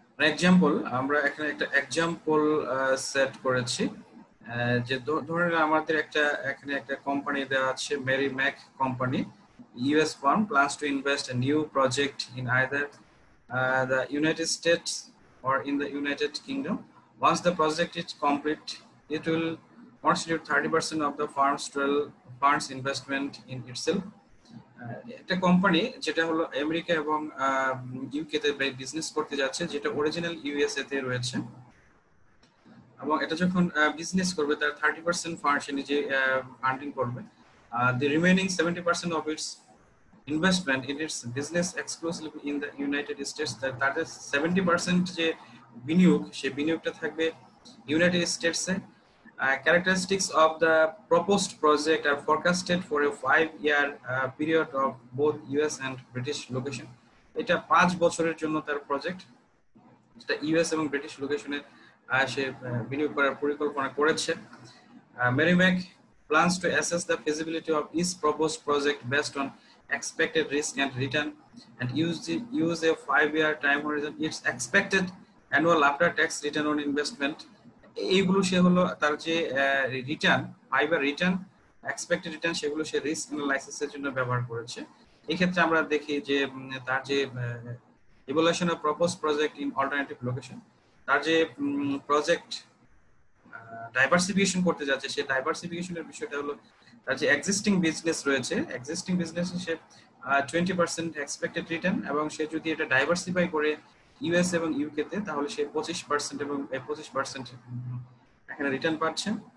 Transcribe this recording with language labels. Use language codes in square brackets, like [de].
[en] example, [bn] আমরা এখানে একটা এক্সাম্পল সেট করেছি যে ধরে নিলাম আমাদের একটা এখানে একটা কোম্পানি দেওয়া আছে, [en] Mary Mack company, US firm, plans to invest a new project in either the United States or in the United Kingdom. Once the project is complete, it will constitute 30% of the firm's total funds investment in itself. [bn] একটা company যেটা হলো America এবং UK তে business করতে যাচ্ছে, যেটা original USA তে রয়েছে, এবং এটা যখন বিজনেস করবে তার 30% ফান্ড সে নিজে আর্নিং করবে, [en] the remaining 70% of its investment in its business exclusively in the United States, [bn] তার 70% যে বিনিয়োগ সেই বিনিয়োগটা থাকবে United স্টেটসে. [en] Characteristics of the proposed project are forecasted for a 5-year period of both US and British location. It's a [bn] 5 বছরের জন্য তার project, যেটা US এবং ব্রিটিশ লোকেশনে সে বিনিয়োগ করার পরিকল্পনা করেছে. [en] Merrimack plans to assess the feasibility of its proposed project based on expected risk and return and use a 5-year time horizon. Its expected annual after-tax return on investment. [bn] এইগুলো সে হলো তার যে return fibre return expected return সেগুলো সে risk অ্যানালাইসিসের জন্য ব্যবহার করেছে. এই ক্ষেত্রে আমরা দেখি যে তার যে evaluation of propose project in alternative location, তার যে প্রজেক্ট ডাইভার্সিফিকেশন করতে যাচ্ছে, সে ডাইভার্সিফিকেশনের বিষয়টা হলো তার যে এক্সিস্টিং বিজনেস রয়েছে, এক্সিস্টিং বিজনেসে সে 20% এক্সপেক্টেড রিটার্ন, এবং সে যদি এটা ডাইভার্সিফাই করে ইউএস এবং ইউকে তে তাহলে সে 25% এবং 25% এখানে রিটার্ন পাচ্ছেন.